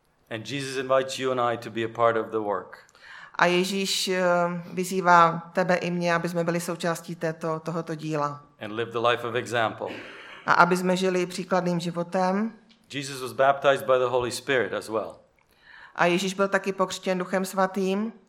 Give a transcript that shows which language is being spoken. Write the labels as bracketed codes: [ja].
[en] And Jesus invites you and I to be a part of the work. [cs] A Ježíš vyzývá tebe i mě, aby jsme byli součástí tohoto díla. [en] And live the life of example. [cs] A aby jsme žili příkladným životem. [en] Jesus was baptized by the Holy Spirit as well. [cs] A Ježíš byl taky pokřtěn Duchem Svatým.